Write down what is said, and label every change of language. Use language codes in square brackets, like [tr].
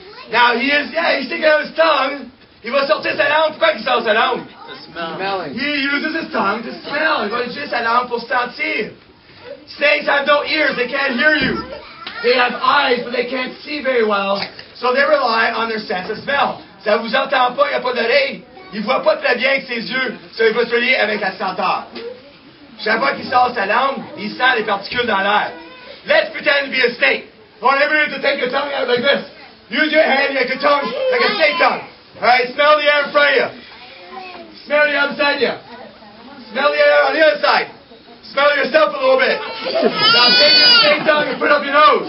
[en] Now he is, yeah, he's sticking out his tongue. He must help this out. Quack himself out. Smelling. He uses his tongue to smell. He goes, just an out for start seeing. Snakes have no ears, they can't hear you. They have eyes, but they can't see very well, so they rely on their sense of smell. [fr] Ça vous entend pas, il n'y a pas d'oreille. Il ne voit pas très bien avec ses yeux, so il va se relier avec la senteur. Chaque fois qu'il sort sa langue, il sent les particules dans l'air. [en] Let's pretend to be a snake. Whenever you need to take your tongue out like this, use your hand like your tongue, like a snake tongue. All right, smell the air in front of you. Smell the air beside you. Smell the air on the other side. Smell yourself a little bit. Now take your snake tongue and put it up your nose.